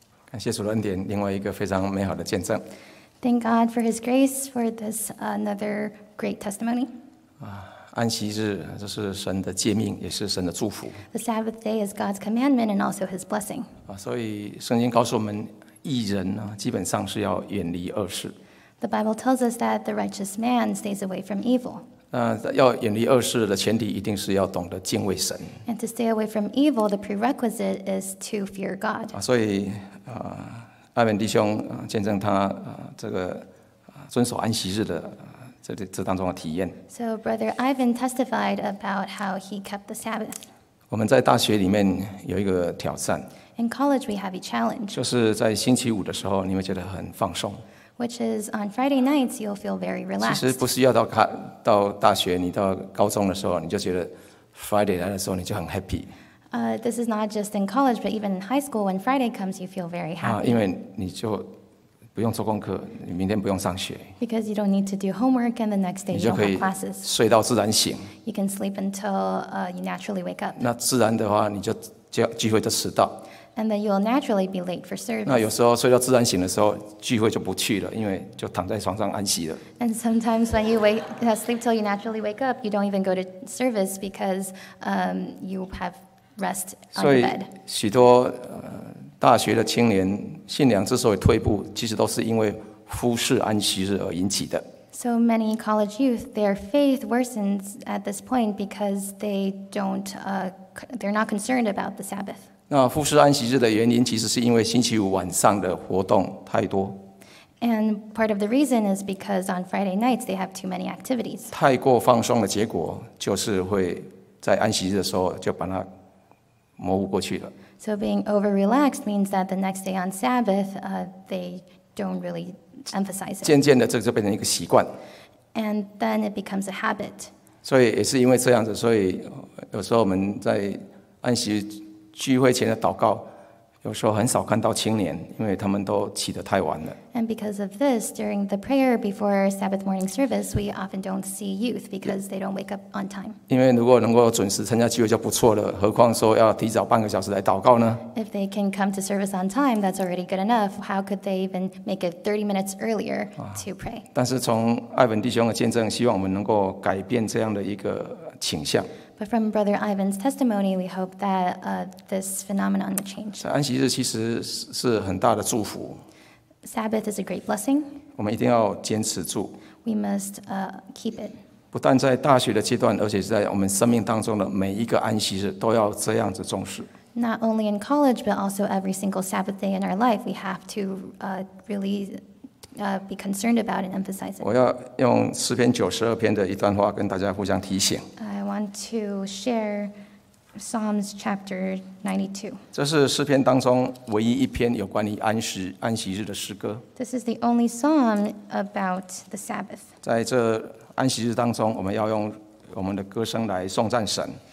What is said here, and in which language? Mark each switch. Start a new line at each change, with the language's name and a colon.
Chinese: 感谢主的恩典，另外一个非常美好的见证。
English: Thank God for His grace for this another great testimony.
Chinese: 安息日，这是神的诫命，也是神的祝福。
English: The Sabbath day is God's commandment and also His blessing.
Chinese: 所以圣经告诉我们，义人基本上是要远离恶事。
English: The Bible tells us that the righteous man stays away from evil.
Chinese: 要远离恶事的前提，一定是要懂得敬畏神。
English: And to stay away from evil, the prerequisite is to fear God.
Chinese: 所以艾文弟兄见证他这个遵守安息日的这当中的体验。
English: So Brother Ivan testified about how he kept the Sabbath.
Chinese: 我们在大学里面有一个挑战。
English: In college we have a challenge.
Chinese: 就是在星期五的时候，你会觉得很放松。
English: Which is on Friday nights you'll feel very relaxed.
Chinese: 其实不需要到大学，你到高中的时候，你就觉得
English: Friday
Chinese: 来的时候你就很
English: happy。 This is not just in college, but even in high school, when Friday comes, you feel very happy.
Chinese: 因为你就不用做功课，你明天不用上学。
English: Because you don't need to do homework, and the next day you don't have classes.
Chinese: 你就可以睡到自然醒。
English: You can sleep until you naturally wake up.
Chinese: 那自然的话，你就聚会就迟到。
English: And then you'll naturally be late for service.
Chinese: 那有时候睡到自然醒的时候，聚会就不去了，因为就躺在床上安息了。
English: And sometimes when you sleep till you naturally wake up, you don't even go to service because you have rest on your bed.
Chinese: 所以许多大学的青年信仰之所以退步，其实都是因为忽视安息日而引起的。
English: So many college youth, their faith worsens at this point because they don't, they're not concerned about the Sabbath.
Chinese: 那忽视安息日的原因，其实是因为星期五晚上的活动太多。
English: And part of the reason is because on Friday nights they have too many activities.
Chinese: 太过放松的结果就是会在安息日的时候就把它模糊过去了。
English: So being over relaxed means that the next day on Sabbath, they don't really emphasize it.
Chinese: 渐渐的这就变成一个习惯。
English: And then it becomes a habit.
Chinese: 所以也是因为这样子，所以有时候我们在安息聚会前的祷告。有时候很少看到青年，因为他们都起得太晚了。
English: And because of this, during the prayer before Sabbath morning service, we often don't see youth because they don't wake up on time.
Chinese: 因为如果能够准时参加聚会就不错了，何况说要提早半个小时来祷告呢？
English: If they can come to service on time, that's already good enough. How could they even make it 30 minutes earlier to pray?
Chinese: 但是从艾文弟兄的见证，希望我们能够改变这样的一个倾向。
English: But from Brother Ivan's testimony, we hope that this phenomenon will change.
Chinese: 安息日其实是很大的祝福。
English: Sabbath is a great blessing.
Chinese: 我们一定要坚持住。
English: We must keep it.
Chinese: 不但在大学的阶段，而且是在我们生命当中的每一个安息日都要这样子重视。
English: Not only in college, but also every single Sabbath day in our life, we have to really be concerned about and emphasize it.
Chinese: 我要用诗篇九十二篇的一段话跟大家互相提醒。
English: Want to share Psalms chapter 92.
Chinese: 这是诗篇当中唯一一篇有关于安息日的诗歌。
English: This is the only psalm about the Sabbath.
Chinese: 在这安息日当中，我们要用我们的歌声来颂赞神。